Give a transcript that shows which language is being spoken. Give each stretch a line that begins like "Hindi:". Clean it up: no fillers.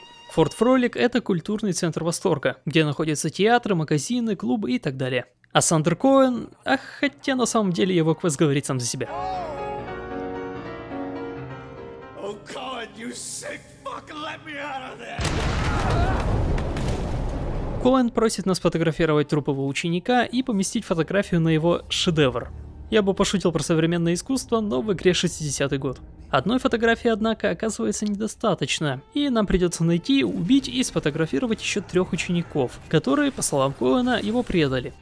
Russian: Форт Фролик – это культурный центр Восторга, где находятся театры, магазины, клубы и так далее. А Сандер Коэн… Ах, хотя на самом деле его квест говорит сам за себя.
English: Oh, God, you sick fuck, let me out of there!
Russian: Коэн просит нас фотографировать труп его ученика и поместить фотографию на его шедевр. Я бы пошутил про современное искусство, но в игре 60-й год. Одной фотографии, однако, оказывается недостаточно, и нам придется найти, убить и сфотографировать еще трех учеников, которые, по словам Коэна, его предали.